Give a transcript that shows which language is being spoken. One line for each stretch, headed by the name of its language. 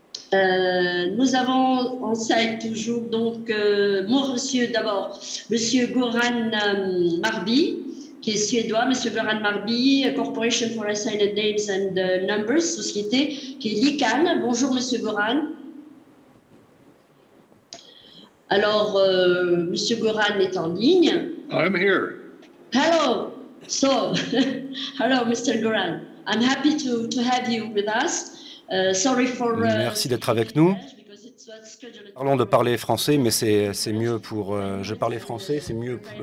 French: Nous avons en salle toujours donc Monsieur Goran Marby, qui est suédois, Monsieur Goran Marby, Corporation for Assigned Names and Numbers, société qui est l'ICANN. Bonjour Monsieur Goran. Alors, Monsieur Goran est en ligne.
English: I'm here. Hello. So, hello, Mr. Goran. I'm happy to have you with us. Sorry for.
French: Merci d'être avec nous. Parlons de parler français, mais c'est mieux pour. Je parlais français, c'est mieux.